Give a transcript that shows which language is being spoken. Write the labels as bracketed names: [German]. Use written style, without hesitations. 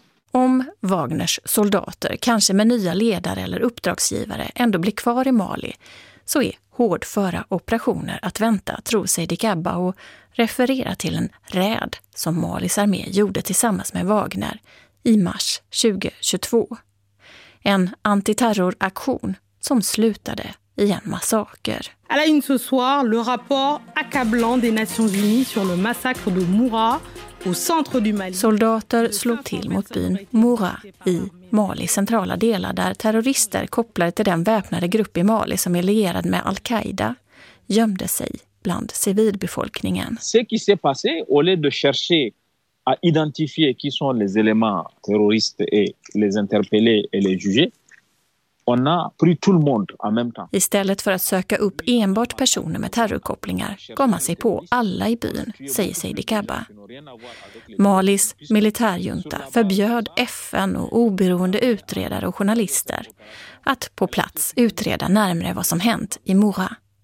[Swedish] Om Wagners soldater, kanske med nya ledare eller uppdragsgivare, ändå blir kvar i Mali, så är hårdföra operationer att vänta, tror Seydi Kaba, och referera till en räd som Malis armé gjorde tillsammans med Wagner i mars 2022. En antiterroraktion som slutade i en massaker. [French] À la une ce soir, le rapport accablant des Nations Unies sur le massacre de Moura. [Swedish] Soldater slog till mot byn Moura i Malis centrala delar där terrorister kopplade till den väpnade grupp i Mali som är lierad med Al-Qaida gömde sig bland civilbefolkningen. [French] Ce qui s'est passé au lieu de chercher à identifier qui sont les éléments terroristes et les interpeller et les juger. [Swedish] Istället för att söka upp enbart personer med terrorkopplingar gav man sig på alla i byn, säger Seydi Kaba. Malis militärjunta förbjöd FN och oberoende utredare och journalister att på plats utreda närmare vad som hänt i Moura.